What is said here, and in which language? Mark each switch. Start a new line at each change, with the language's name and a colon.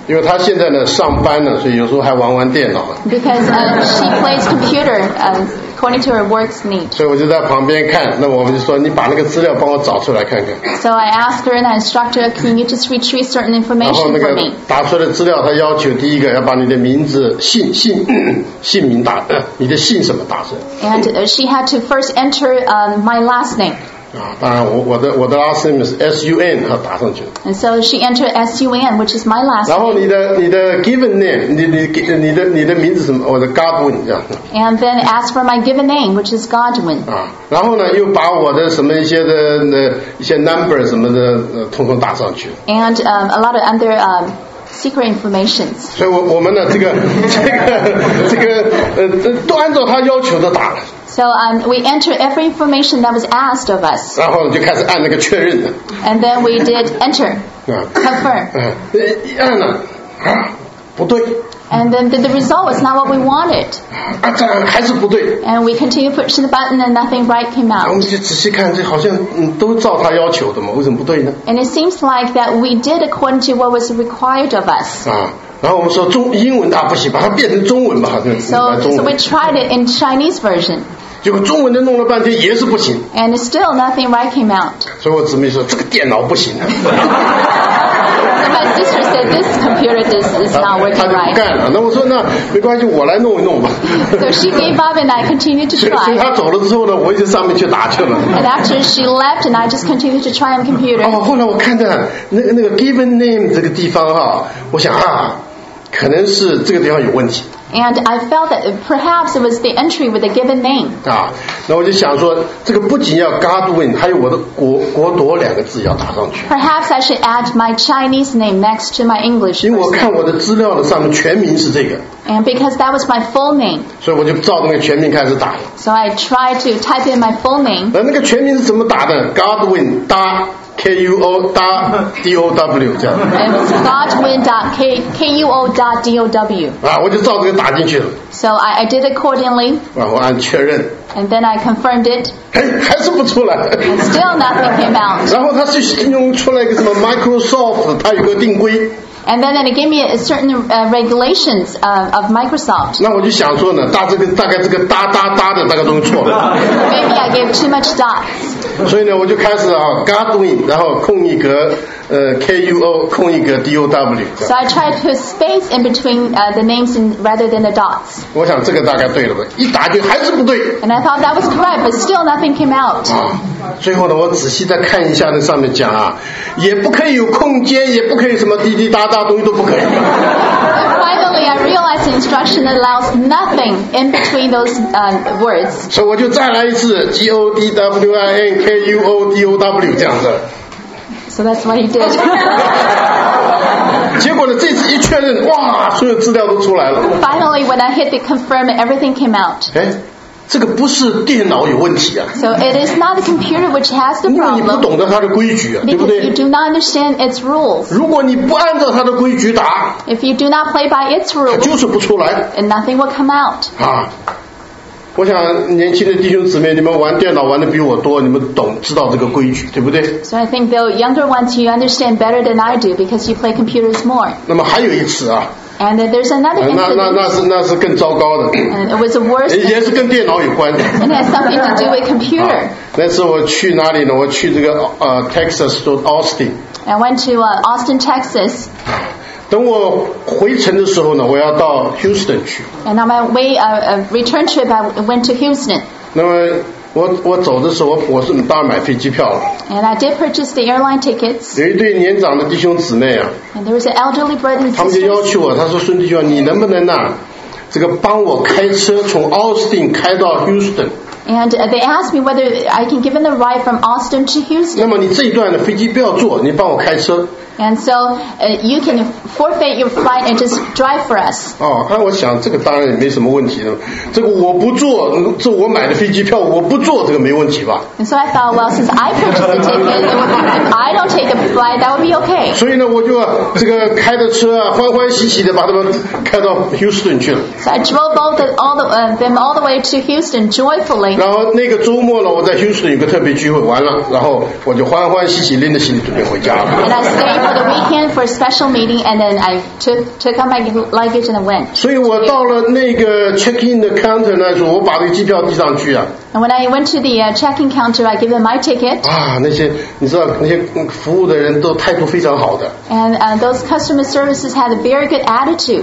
Chinese: 因为她现在呢上班呢，所以有时候还玩玩电脑。
English: Because she plays computer according to her work's need.
Chinese: 所以我就在旁边看，那我们就说你把那个资料帮我找出来看看。
English: So I asked her and I instructed her, can you just retrieve certain information for me?
Chinese: 然后那个打出来的资料，她要求第一个要把你的名字姓名打，你的姓什么打出来。
English: And she had to first enter my last name.
Chinese: 当然我的
English: last name is
Chinese: S-U-N 她打上去了
English: and so she entered S-U-N which is my last name
Chinese: 然后你的 given name 你的名字什么我的 Godwin 这样
English: and then ask for my given name which is Godwin
Chinese: 然后呢又把我的什么一些 number 什么的统统打上去
English: and a lot of other secret information
Chinese: 所以我们呢这个都按照他要求的打了
English: So we entered every information that was asked of us.
Chinese: 然后就开始按那个确认。
English: And then we did enter, confirm.
Chinese: 按了，不对。
English: And then the result was not what we wanted.
Chinese: 还是不对。
English: And we continued pushing the button and nothing right came out.
Chinese: 我们就仔细看，这好像都照他要求的嘛，为什么不对呢
English: ？And it seems like that we did according to what was required of us.
Chinese: 然后我们说英文不行，把它变成中文吧，
English: So we tried it in Chinese version.
Chinese: 结果中文的弄了半天也是不行。
English: And still nothing right came out.
Chinese: 所以我姊妹说这个电脑不行。
English: My sister said this computer is not working right.
Chinese: 干了，那我说那没关系，我来弄一弄吧。
English: So she gave up and I continued to try.
Chinese: 所以她走了之后呢，我就上面去打去了。
English: And after she left and I just continued to try on computer.
Chinese: 哦，后来我看到那个 given name 这个地方哈，我想啊。可能是这个地方有问题。
English: And I felt that perhaps it was the entry with a given name.
Chinese: 啊，那我就想说，这个不仅要 Godwin， 还有我的国铎两个字要打上去。
English: Perhaps I should add my Chinese name next to my English.
Chinese: 因为我看我的资料的上面全名是这个。
English: And because that was my full name.
Chinese: 所以我就照那个全名开始打。
English: So I tried to type in my full name.
Chinese: 那个全名是怎么打的 ？Godwin 打。 K-U-O-D-O-W 这样
English: Godwin.K-U-O-D-O-W
Chinese: 啊，我就照这个打进去了
English: So I did accordingly
Chinese: 啊，我按确认
English: And then I confirmed it
Chinese: 还是不出来
English: Still nothing came out
Chinese: 然后他是用出来一个什么 Microsoft 它有个定规
English: And then it gave me a certain regulations of Microsoft
Chinese: 那我就想说呢大概这个哒哒哒的大概都错了
English: Maybe I gave too much dots
Chinese: 所以呢，我就开始啊 ，Godwin， 然后空一格，K U O， 空一格 D O W。
English: So I tried to space in between the names rather than the dots。
Chinese: 我想这个大概对了吧？一打就还是不对。
English: And I thought that was correct, but still nothing came out。
Chinese: 最后呢，我仔细再看一下那上面讲啊，也不可以有空间，也不可以什么滴滴答答东西都不可以。
English: Finally, I realized the instruction allows nothing in between those words.
Chinese: So 我就再来一次 G O D W I N K U O D O W 这样子。
English: So that's what he did.
Chinese: 结果呢，这次一确认，哇，所有资料都出来了。
English: Finally, when I hit the confirm, everything came out.
Chinese: 这个不是电脑有问题啊。
English: So it is not the computer which has the problem.
Chinese: 因为你不懂得它的规矩啊，对不对
English: ？Because you do not understand its rules.
Chinese: 如果你不按照它的规矩打
English: ，If you do not play by its rules，
Chinese: 它就是不出来
English: ，and nothing will come out.
Chinese: 啊，我想年轻的弟兄姊妹，你们玩电脑玩的比我多，你们懂知道这个规矩，对不对
English: ？So I think the younger ones you understand better than I do because you play computers more.
Chinese: 那么还有一次啊。
English: And there's another incident.
Chinese: 那是更糟糕的。
English: And it was worse.
Chinese: 也是跟电脑有关。
English: And it has something to do with computer.
Chinese: 那次我去哪里呢？我去这个
English: Texas to Austin. I went to Austin, Texas.
Chinese: 等我回程的时候呢，我要到 Houston 去。
English: And on my way return trip, I went to Houston.
Chinese: 那么我走的时候，我是当然买飞机票了。
English: And I did purchase the airline tickets.
Chinese: 有一对年长的弟兄姊妹啊。
English: And there was an elderly brother.
Chinese: 他们就要求我，他说：“孙弟兄，你能不能呢、啊？这个帮我开车从 Austin 开到 Houston。”
English: And they asked me whether I can give them the ride from Austin to Houston.
Chinese: 那么你这一段的飞机不要坐，你帮我开车。
English: And so you can forfeit your flight and just drive for us.
Chinese: 哦，那我想这个当然也没什么问题的。这个我不坐，这我买的飞机票我不坐，这个没问题吧
English: ？And so I thought, well, since I purchased the ticket, if I don't take the flight, that would be okay.
Chinese: 所以呢，我就这个开着车啊，欢欢喜喜的把他们开到 Houston 去了。
English: So I drove both the, all the, them all the way to Houston joyfully.
Chinese: 然后那个周末呢，我在 Houston 有个特别聚会，完了，然后我就欢欢喜喜拎着行李准备回家了。
English: And I stayed. For the weekend for a special meeting, and then I took out my luggage and went.
Chinese: 所以我到了那个 check-in 的 counter 那时候，我把这个机票递上去啊。
English: And when I went to the check-in counter, I gave them my ticket.
Chinese: 啊，那些你知道那些服务的人都态度非常好的。
English: And those customer services had a very good attitude.